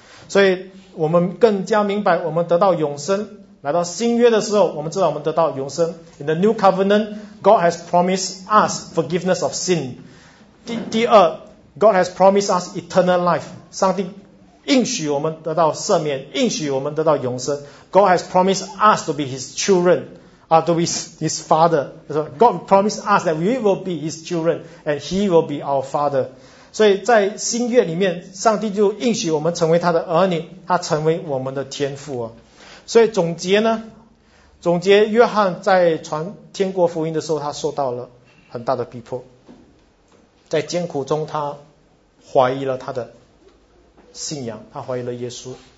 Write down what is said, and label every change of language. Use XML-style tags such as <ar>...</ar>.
<zh>所以我们更加明白我们得到永生，来到新约的时候我们知道我们得到永生。</zh> <en>In the new covenant, God has promised us forgiveness of sin。第二 God has promised us eternal life。</en> <zh>上帝应许我们得到赦免，应许我们得到永生。</zh> <en>God has promised us to be his children、to be his father。 God promised us that we will be his children and he will be our father。</en> <zh>所以在新约里面，上帝就应许我们成为他的儿女，他成为我们的天父啊。所以总结约翰在传天国福音的时候，他受到了很大的逼迫，在艰苦中他怀疑了他的信仰，他怀疑了耶稣。</zh>